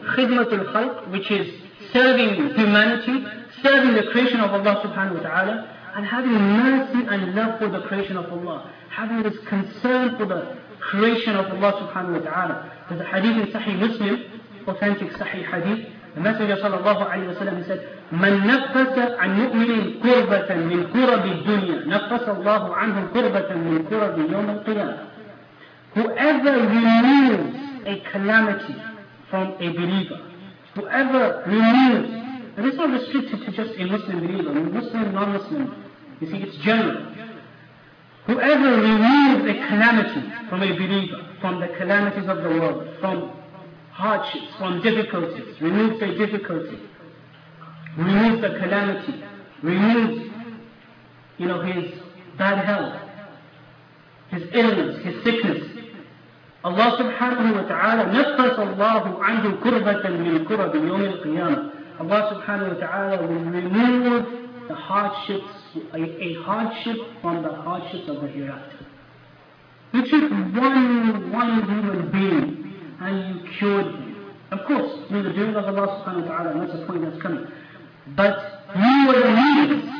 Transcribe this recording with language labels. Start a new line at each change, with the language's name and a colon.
English: Khidmatul Khalq, which is serving humanity, serving the creation of Allah subhanahu wa ta'ala, and having mercy and love for the creation of Allah. Having this concern for the creation of Allah subhanahu wa ta'ala. There's a hadith in Sahih Muslim, authentic Sahih hadith. The Messenger sallallahu alayhi wa sallam said,
Arabic: مَنْ نَفَّسَ عَنْ مُؤْمِنٍ قُرْبَةً مِنْ قُرَبِ الدُّنْيَا نَفَّسَ اللَّهُ عَنْهُمْ قُرْبَةً مِنْ قُرَبِ يَوْمَ الْقِيَامَةِ.
English: Whoever removes a calamity from a believer, whoever removes, and it's not restricted to just a Muslim believer, Muslim, non-Muslim, you see, it's general. Whoever removes a calamity from a believer, from the calamities of the world, from hardships, from difficulties, removes a difficulty, removes the calamity, removes, you know, his bad health, his illness, his sickness. Allah subhanahu wa ta'ala,
Arabic: نَفَّسَ اللَّهُ عَنْهُ كُرْبَةً مِنْ كُرَبِ يَوْمِ الْقِيَامَةِ.
English: Allah subhanahu wa ta'ala will remove the hardships, a hardship from the hardships of the hereafter. You took one human being and you cured him. Of course, through the doing of Allah subhanahu wa ta'ala, that's the point that's coming. But you were the means.